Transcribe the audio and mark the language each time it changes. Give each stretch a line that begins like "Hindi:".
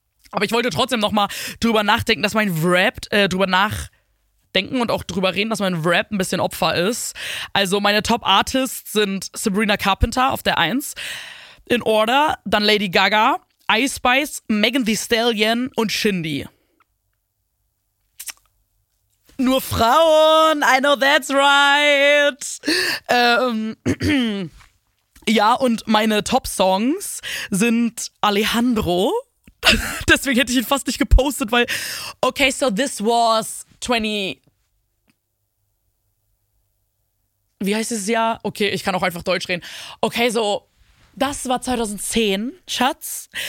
German: Aber ich wollte trotzdem nochmal drüber nachdenken, dass mein Wrapped, drüber nachdenken und auch drüber reden, dass mein Wrapped ein bisschen Opfer ist. Also meine Top-Artists sind Sabrina Carpenter auf der 1, In Order, dann Lady Gaga, Ice Spice, Megan Thee Stallion und Shindy. Nur Frauen,
English: I know that's right.
German: Ja, und meine Top-Songs sind Alejandro. Deswegen hätte ich ihn fast nicht gepostet, weil, okay,
English: so this was 20,
German: wie heißt es ja? Okay, ich kann auch einfach Deutsch reden. Okay, so, das war 2010, Schatz.